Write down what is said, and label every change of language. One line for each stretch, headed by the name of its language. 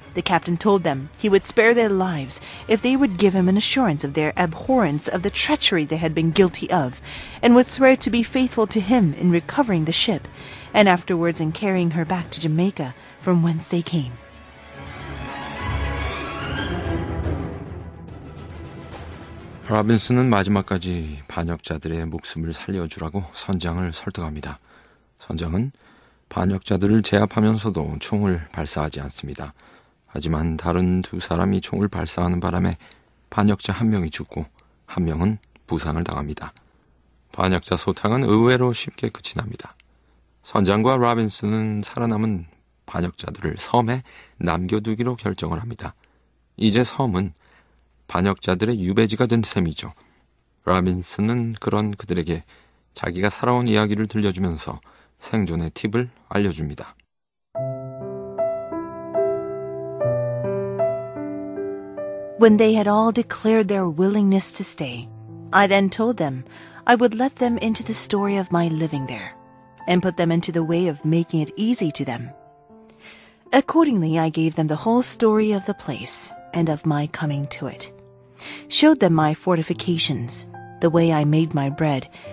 English: The captain told them he would spare their lives if they would give him an assurance of their abhorrence of the treachery they had been guilty of, and would swear to be faithful to him in recovering the ship, and afterwards in carrying her back to Jamaica from whence they came.
Korean: 로빈슨은 마지막까지 반역자들의 목숨을 살려주라고 선장을 설득합니다. 선장은 반역자들을 제압하면서도 총을 발사하지 않습니다. 하지만 다른 두 사람이 총을 발사하는 바람에 반역자 한 명이 죽고 한 명은 부상을 당합니다. 반역자 소탕은 의외로 쉽게 끝이 납니다. 선장과 로빈슨은 살아남은 반역자들을 섬에 남겨두기로 결정을 합니다. 이제 섬은 반역자들의 유배지가 된 셈이죠. 로빈슨은 그런 그들에게 자기가 살아온 이야기를 들려주면서 생존의 팁을 알려줍니다.
English: When they had all declared their willingness to stay, I then told them I would let them into the story of my living there, and put them into the way of making it easy to them. Accordingly, I gave them the whole story of the place, and of my coming to it. Showed them my fortifications, the way I made my bread,